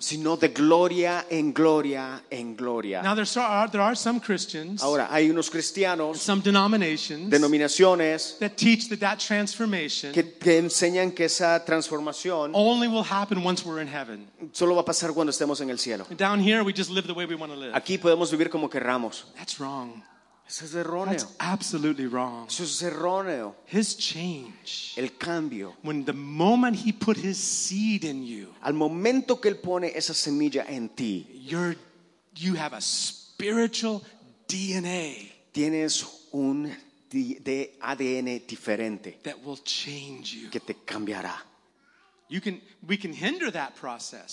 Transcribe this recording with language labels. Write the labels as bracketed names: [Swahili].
[Spanish] Sino de gloria en gloria en gloria. [English] Now there are some Christians. [Spanish] Ahora hay unos cristianos. [English] Some denominations. [Spanish] Denominaciones. [English] That teach that transformation. [Spanish] Que enseñan que esa transformación. [English] Only will happen once we're in heaven. [Spanish] Solo va a pasar cuando estemos en el cielo. [English] And down here we just live the way we want to live. [Spanish] Aquí podemos vivir como queramos. [English] That's wrong. [Spanish] Eso es erróneo. [English] That's absolutely wrong. [Spanish] Eso es erróneo. [English] His change. [Spanish] El cambio. [English] When the moment he put his seed in you. [Spanish] Al momento que él pone esa semilla en ti. [English] You have a spiritual DNA. [Spanish] Tienes un ADN diferente. [English] That will change you. [Spanish] Que te cambiará. [English] We can hinder that process.